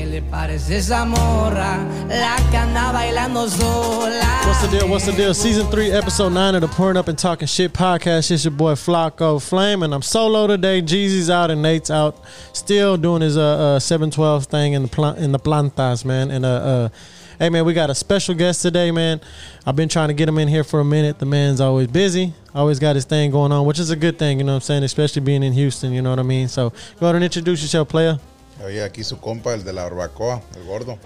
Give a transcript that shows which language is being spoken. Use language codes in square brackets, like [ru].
[es] Parece esa morra la que anda bailando sola. [en] What's the deal? What's the deal? Season 3, episode 9 of the Pouring Up and Talking Shit podcast. It's your boy Flocko Flame, and I'm solo today. Jeezy's out and Nate's out, still doing his 712 thing in the plantas, man. And hey man, we got a special guest today, man. I've been trying to get him in here for a minute. The man's always busy, always got his thing going on, which is a good thing, you know what I'm saying? Especially being in Houston, you know what I mean? So go ahead and introduce yourself, player. [es] Oye, aquí su compa, el de la barbacoa, el gordo.